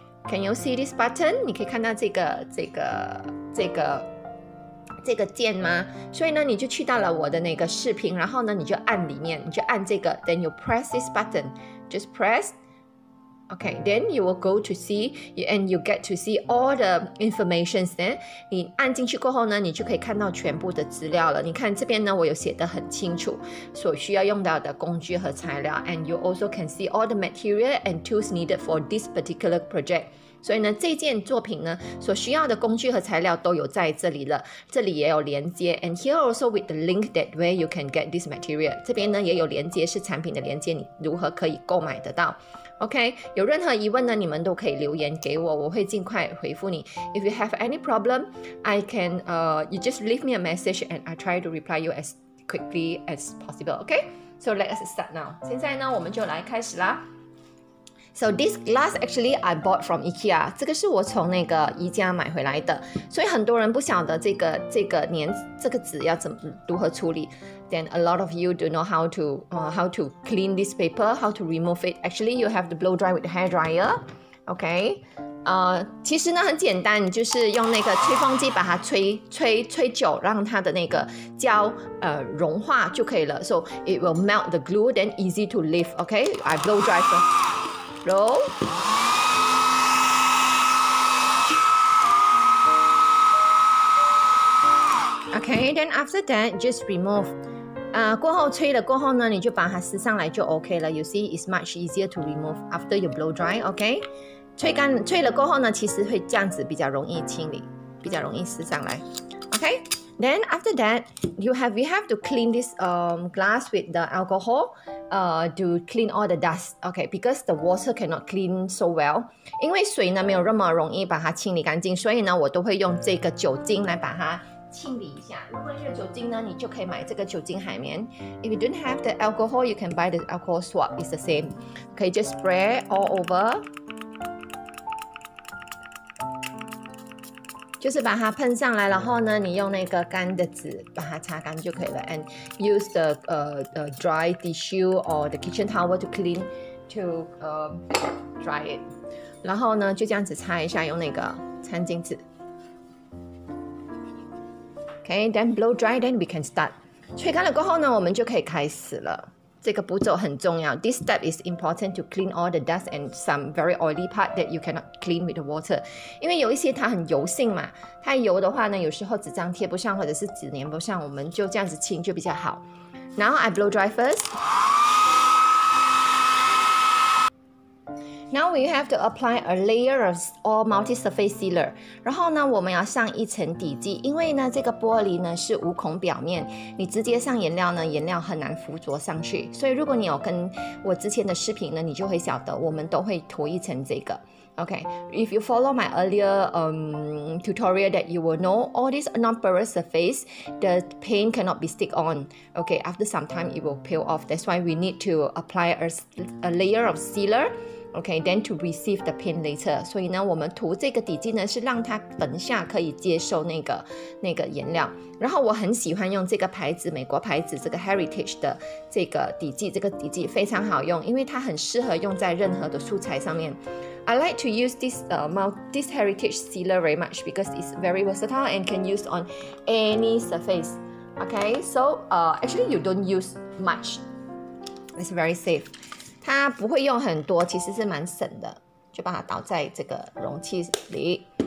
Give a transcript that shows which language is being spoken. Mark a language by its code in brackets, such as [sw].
[en] Can you see this button? [zh] 你可以看到这个键吗？所以呢，你就去到了我的那个视频，然后呢，你就按里面，你就按这个 ， [en] then you press this button, just press. Okay, then you will go to see, and you get to see all the information there. [zh] 你按进去过后呢，你就可以看到全部的资料了。你看这边呢，我有写得很清楚，所需要用到的工具和材料。 [en] And you also can see all the material and tools needed for this particular project. [zh] 所以呢，这件作品呢所需要的工具和材料都有在这里了，这里也有连接 [en] and here also with the link that where you can get this material [zh] 这边呢也有连接，是产品的连接，你如何可以购买得到。 OK, 有任何疑问呢，你们都可以留言给我，我会尽快回复你。 [en] If you have any problem, I can, you just leave me a message and I try to reply you as quickly as possible. OK, so let us start now. [zh] 现在呢我们就来开始啦。 [en] So this glass actually I bought from IKEA. [zh] 这个是我从那个宜家买回来的。所以很多人不晓得这个纸要怎么如何处理。 [en] Then a lot of you don't know how to clean this paper, how to remove it. Actually, you have to blow dry with the hair dryer. Okay. [zh] 其实呢很简单，就是用那个吹风机把它吹久，让它的那个胶融化就可以了。 [en] So it will melt the glue, then easy to lift. Okay, I blow dry first. Roll. Okay, then after that, just remove. [zh] 过后吹了过后呢，你就把它撕上来就 OK 了。 [en] You see, it's much easier to remove after you blow dry. [zh] Okay, 吹了过后呢，其实会这样子比较容易清理，比较容易撕上来。 [en] Okay, then after that, we have to clean this glass with the alcohol. To clean all the dust, okay, because the water cannot clean so well. [zh] 因为水呢没有那么容易把它清理干净，所以呢我都会用这个酒精来把它清理一下。如果有酒精呢，你就可以买这个酒精海绵。 [en] If you don't have the alcohol, you can buy the alcohol swab. It's the same. Okay, just spray all over. [zh] 就是把它喷上来，然后呢，你用那个干的纸把它擦干就可以了。 [en] And use the dry tissue or the kitchen towel to clean to dry it. [zh] 然后呢，就这样子擦一下，用那个餐巾纸。 [en] Okay, then blow dry, then we can start. [zh] 吹干了过后呢，我们就可以开始了。这个步骤很重要。 [en] This step is important to clean all the dust and some very oily part that you cannot clean with the water. [zh] 因为有一些它很油性嘛，太油的话呢，有时候纸张贴不上或者是纸粘不上，我们就这样子清就比较好。 [en] Now I blow dry first. Now we have to apply a layer of all multi-surface sealer. [zh] 然后呢，我们要上一层底剂，因为呢，这个玻璃呢是无孔表面，你直接上颜料呢，颜料很难附着上去。所以如果你有跟我之前的视频呢，你就会晓得我们都会涂一层这个。 [en] Okay, if you follow my earlier tutorial that you will know, all this non-porous surface, the paint cannot be stick on. Okay, after some time, it will peel off. That's why we need to apply a layer of sealer. okay, then to receive the pain later. [zh] 所以呢，我们涂这个底剂呢，是让它等下可以接受那个颜料。然后我很喜欢用这个牌子，美国牌子这个 Heritage 的这个底剂，这个底剂非常好用，因为它很适合用在任何的素材上面。 [en] I like to use this, this Heritage Sealer very much because it's very versatile and can use on any surface. Okay, so actually you don't use much. It's very safe. [zh] 它不会用很多，其实是蛮省的，就把它倒在这个容器里。